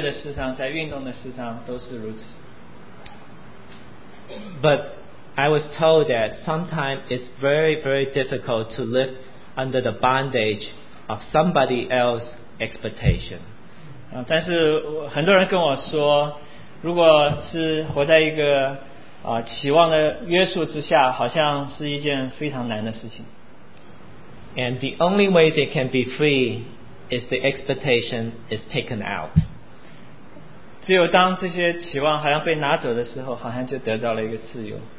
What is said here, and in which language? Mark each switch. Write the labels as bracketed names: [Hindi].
[Chinese] 在学校里面，在音乐的事上，在运动的事上都是如此。 [English] But I was told that sometimes it's very, very difficult to live under the bondage of somebody else's expectation. [Chinese] 但是很多人跟我说，如果是活在一个期望的约束之下，好像是一件非常难的事情。 [English] And the only way they can be free is the expectation is taken out. [Chinese] 只有当这些期望好像被拿走的时候，好像就得到了一个自由。